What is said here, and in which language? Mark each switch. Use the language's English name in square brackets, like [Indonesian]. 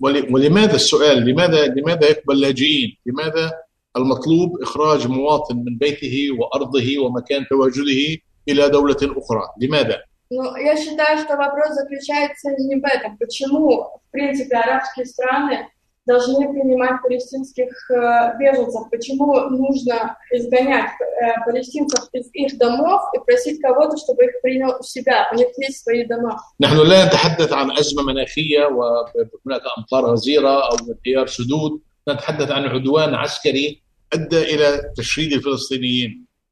[Arabic] ولماذا السؤال؟ لماذا يقبل لاجئين؟ لماذا المطلوب إخراج مواطن من بيته وأرضه ومكان تواجده إلى دولة أخرى؟ لماذا؟ [Russian] Ну, я считаю, что вопрос заключается не в этом. Почему, в принципе, арабские страны должны принимать палестинских беженцев? Почему нужно изгонять палестинцев из их домов и просить кого-то, чтобы их принял у себя? У них есть свои дома. [Arabic] نحن لا نتحدث عن أزمة مناخية وهناك أمطار غزيرة أو تيار سدود. نتحدث عن عدوان عسكري أدى إلى تشريد الفلسطينيين.